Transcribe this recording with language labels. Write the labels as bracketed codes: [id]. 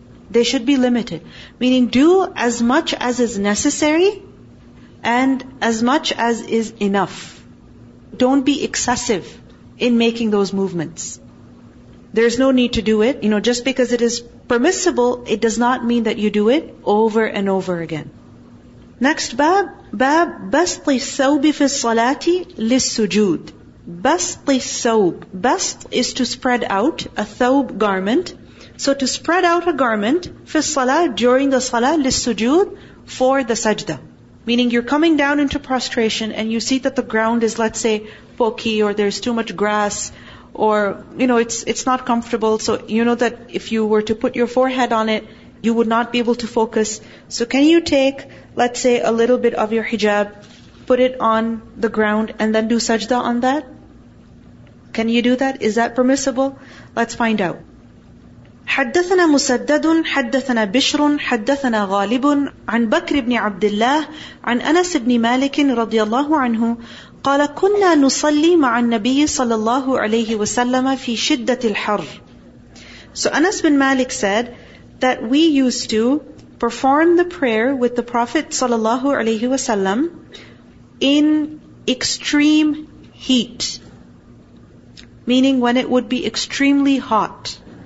[en] They should be limited. Meaning do as much as is necessary and as much as is enough. Don't be excessive in making those movements. There's no need to do it. You know, just because it is permissible, it does not mean that you do it over and over again. Next, bab [ar] بسط الثوب في الصلاة للسجود. بسط الثوب. [en] بسط is to spread out, a thawb garment. So to spread out a garment [ar] في الصلاة, [en] during the salah, للسجود, for the sajda. Meaning you're coming down into prostration and you see that the ground is, let's say, pokey, or there's too much grass, or, you know, it's not comfortable. So you know that if you were to put your forehead on it, you would not be able to focus. So can you take, let's say, a little bit of your hijab, put it on the ground, and then do sajda on that? Can you do that? Is that permissible? Let's find out. [ar] حدثنا مسدد حدثنا بشر حدثنا غالب عن بكر بن عبد الله عن أنس بن مالك رضي الله عنه قال كنا نصلي مع النبي صلى الله عليه وسلم في شدة الحر. [en] So Anas bin Malik said that we used to perform the prayer with the Prophet [ar] صلى الله عليه وسلم [en] in extreme heat, meaning when it would be extremely hot.